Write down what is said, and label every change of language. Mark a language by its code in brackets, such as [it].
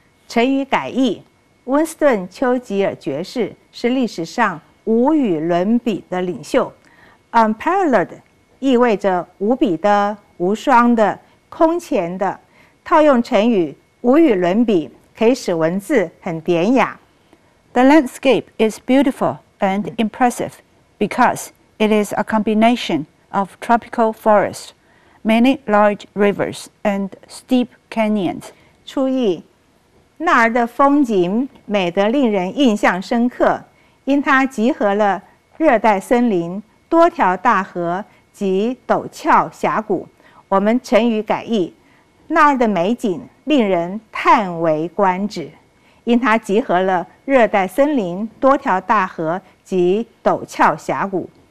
[zh] 成语改译，温斯顿·丘吉尔爵士是历史上无与伦比的领袖。 unparalleled 意味着无比的、无双的、空前的。套用成语无与伦比，可以使文字很典雅。 [en] The landscape is beautiful and impressive because it is a combination of tropical forest, many large rivers and steep canyons. [zh] 注意，那儿的风景美得令人印象深刻，因它集合了热带森林、多条大河及陡峭峡谷。我们成语改译，那儿的美景令人叹为观止，因它集合了热带森林、多条大河及陡峭峡谷。